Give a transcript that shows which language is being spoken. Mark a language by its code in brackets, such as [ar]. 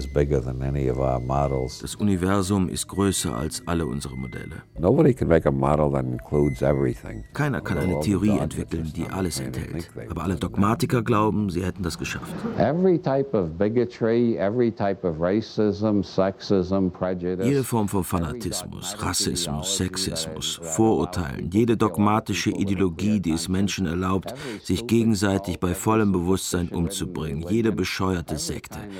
[de] Das Universum ist größer als alle unsere Modelle. [en] Nobody can make a model that includes everything. [de] Keiner kann eine Theorie entwickeln, die alles enthält. Aber alle Dogmatiker glauben, sie hätten das geschafft. [en] Every type of bigotry, every type of racism, sexism, prejudice. [de] Jede Form von Fanatismus, Rassismus, Sexismus, Vorurteilen, jede dogmatische Ideologie, die es Menschen erlaubt, sich gegenseitig bei vollem Bewusstsein umzubringen, jede Sekte.